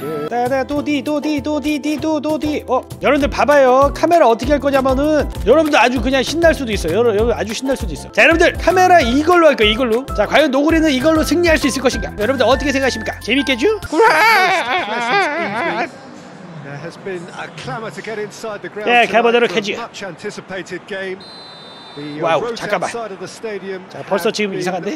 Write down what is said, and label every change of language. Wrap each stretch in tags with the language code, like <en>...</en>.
<ko>따다 도디 도디 도디 디도 도디. 여러분들 봐봐요. 카메라 어떻게 할 거냐면은 여러분들 아주 그냥 신날 수도 있어요. 여러분 아주 신날 수도 있어. 자 여러분들 카메라 이걸로 할 거 이걸로. 자 과연 노구리는 이걸로 승리할 수 있을 것인가? 여러분들 어떻게 생각하십니까? 재밌겠죠?</ko> <en>There has been a clamor to get inside the ground.</en> <ko>예, 가보도록 하지.</ko> <en>Much anticipated game.</en> <ko>와우 잠깐만 자 벌써 지금 이상한데?</ko>